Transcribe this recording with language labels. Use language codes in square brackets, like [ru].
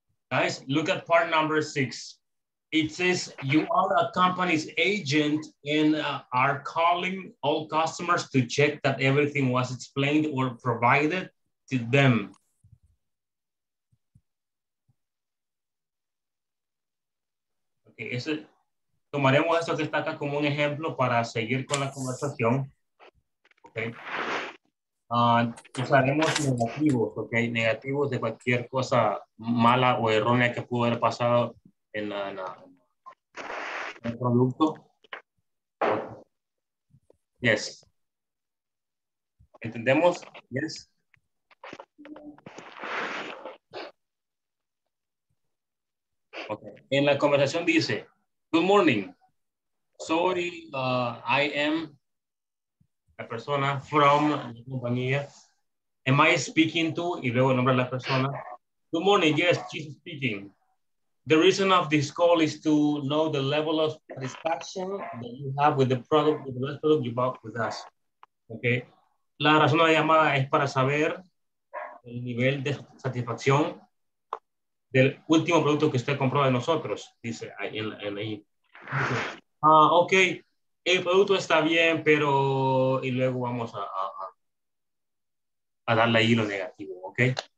[en] Guys, look at part number six. It says you are a company's agent and are calling all customers to check that everything was explained or provided to them. [es] Okay, eso, tomaremos esto que está acá como un ejemplo para seguir con la conversación. Okay. Usaremos negativos, okay, negativos de cualquier cosa mala o errónea que pudo haber pasado en la. El producto. [en] Yes. [es] ¿Entendemos? [en] Yes. [es] Okay. En la conversación dice, [en] good morning. Sorry, I am [es] la persona [en] from [es] la compañía. [en] Am I speaking to? [es] Y luego el nombre de la persona. [en] Good morning. Yes, she's speaking. The reason of this call is to know the level of satisfaction that you have with the product, with the product you bought with us. Okay. [es] La razón de la llamada es para saber el nivel de satisfacción del último producto que usted compró de nosotros, dice ahí. Okay. El producto está bien, pero. Y luego vamos a darle ahí lo negativo, okay?